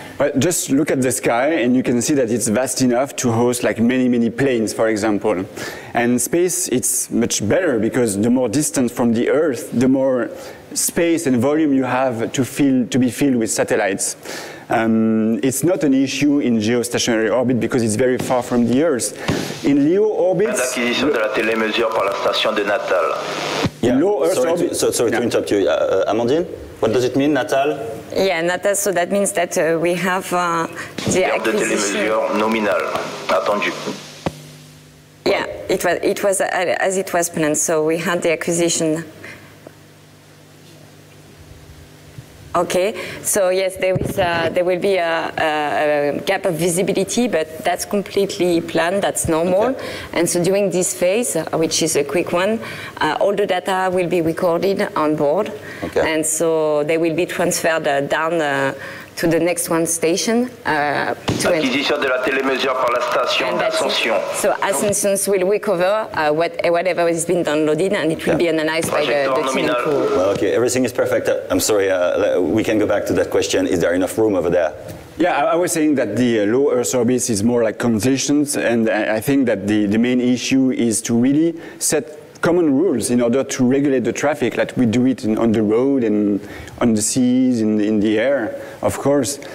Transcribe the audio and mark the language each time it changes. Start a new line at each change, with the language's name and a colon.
English: Well, just look at the sky and you can see that it's vast enough to host like many, many planes, for example. And space, it's much better because the more distance from the Earth, the more space and volume you have to be filled with satellites. It's not an issue in geostationary orbit because it's very far from the Earth. In LEO orbits,
French: l'acquisition de la télémesure par la station de Natal.
English: In low Earth sorry orbit, to interrupt you, Amandine. What does it mean, Natal? Yeah, Natal. So that means that we have the acquisition.
French: De télémesure nominal, attendu.
English: Yeah, it was as it was planned. So we had the acquisition. Okay, so yes, there will be a gap of visibility, but that's completely planned, that's normal. Okay. And so during this phase, which is a quick one, all the data will be recorded on board. Okay. And so they will be transferred down to the next one station.
French: Acquisition de la télémesure par la station d'Ascension.
English: So Ascension will recover whatever has been downloaded and it will be analyzed by the team. Well, okay, everything is perfect. I'm sorry, we can go back to that question. Is there enough room over there? Yeah, I was saying that the low Earth orbit is more like conditions, and I think that the main issue is to really set common rules in order to regulate the traffic, like we do it on the road and on the seas, in the air, of course.